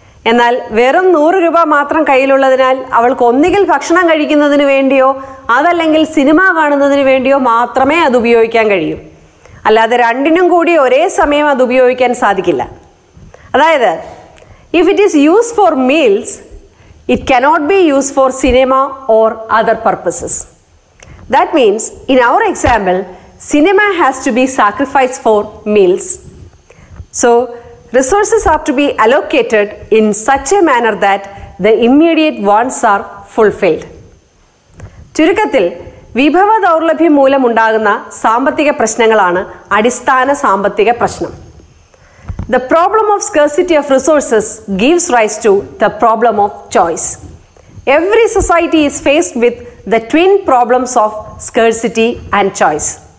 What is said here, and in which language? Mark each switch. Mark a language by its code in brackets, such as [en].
[ml] എന്നാൽ വെറും 100 രൂപ മാത്രം കയ്യിലുള്ളതിനാൽ അവൾക്ക് ഒന്നുകിൽ ഭക്ഷണം കഴിക്കുന്നതിന് വേണ്ടിയോ അതല്ലെങ്കിൽ സിനിമ കാണുന്നതിന് വേണ്ടിയോ മാത്രമേ അത് ഉപയോഗിക്കാൻ കഴിയൂ. അല്ലാതെ രണ്ടിനും കൂടി ഒരേ സമയം അത് ഉപയോഗിക്കാൻ സാധിക്കില്ല. അതായത്, [en] If it is use for meals, it cannot be use for cinema or other purposes. That means in our example, cinema has to be sacrificed for meals. So resources have to be allocated in such a manner that the immediate wants are fulfilled. [ml] ചുരുക്കത്തിൽ വിഭവ ദൗർലഭ്യം മൂലം ഉണ്ടാകുന്ന സാമ്പത്തിക പ്രശ്നങ്ങളാണ് അടിസ്ഥാന സാമ്പത്തിക പ്രശ്നം. [en] The problem of scarcity of resources gives rise to the problem of choice. Every society is faced with the twin problems of scarcity and choice.